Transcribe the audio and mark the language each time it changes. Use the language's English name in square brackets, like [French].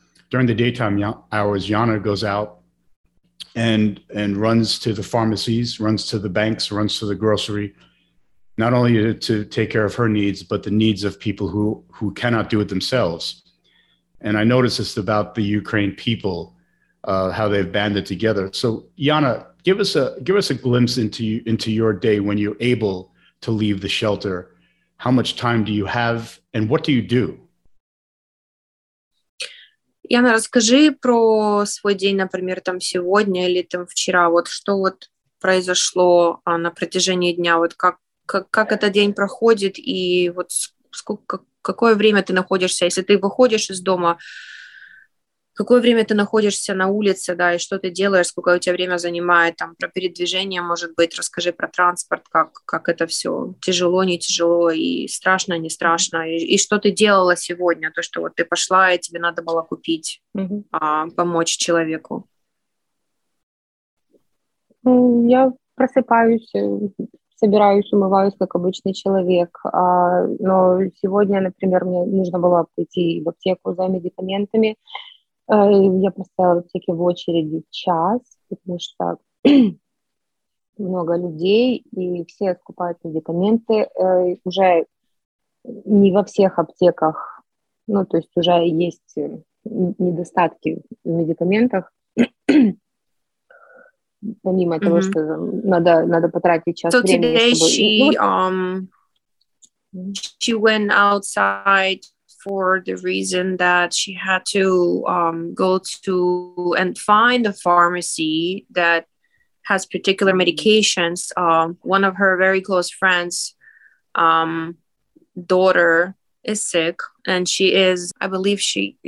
[English] During the daytime hours, Yana goes out and runs to the pharmacies, runs to the banks, runs to the grocery, not only to take care of her needs, but the needs of people who cannot do it themselves. And I noticed this about the Ukraine people, how they've banded together. So Yana, give us a glimpse into your day when you're able to leave the shelter. How much time do you have and what do you do? [Ukrainian] Яна, розкажи про свій день, наприклад, там сьогодні або там вчора. От що от произошло на протязі дня? От як цей день проходить, і от яке время ти знаходишся, якщо ти виходиш із дому, яке время ти знаходишся на вулиці, да, і що ти робиш, скільки у тебе час займає там про передвіження, може бути, розкажи про транспорт, як це все тяжело, не тяжело, і страшно, не страшно, і що ти робила сьогодні, то що от ти пішла, і тобі треба було купити, допомогти чоловіку. [Russian] Я просипаюсь, собираюсь, умиваюсь, як обычный человек, но сегодня, например, мне нужно было пойти в аптеку за медикаментами. Я поставила аптеки в очереди час, потому что много людей, и все скупают медикаменты. Уже не во всех аптеках, ну, то есть уже есть недостатки в медикаментах. Помимо того, что надо потратить час времени, чтобы... [English] So today she went outside for the reason that she had to go to and find a pharmacy that has particular medications. One of her very close friends' daughter is sick, and she is, I believe she...